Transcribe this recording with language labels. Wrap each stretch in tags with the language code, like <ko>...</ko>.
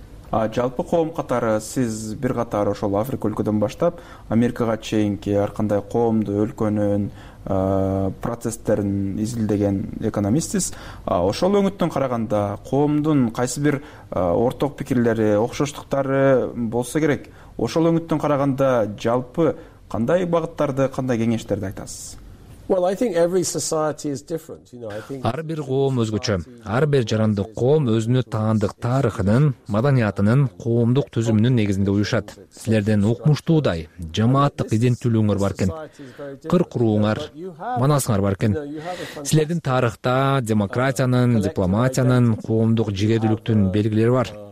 <ky>Жалпы коом катары сиз бир катар ошол Африка өлкөдөн баштап Америкага чейинки ар кандай коомду, өлкөнүн процесстерин изилдеген экономистсиз. Ошол өңүттөн караганда коомдун кайсы бир ортак пикирлери, окшоштуктары болсо керек, ошол өңүттөн караганда жалпы кандай багыттарды, кандай кеңештерди айтасыз?</ky> <en>Well, I think every society is different, you know.</en> <ky>Ар бир коом өзгөчө. Ар бир жарандык коом өзүнө таандык тарыхынын, маданиятынын, коомдук түзүмүнүн негизинде уюшат. Силердин укмуштуудай жамааттык идентүүлүгүңөр бар экен. Кырк рууңар, манасыңар бар экен. Силердин тарыхта демократиянын, дипломатиянын, коомдук жигердүүлүктүн белгилери бар.</ky>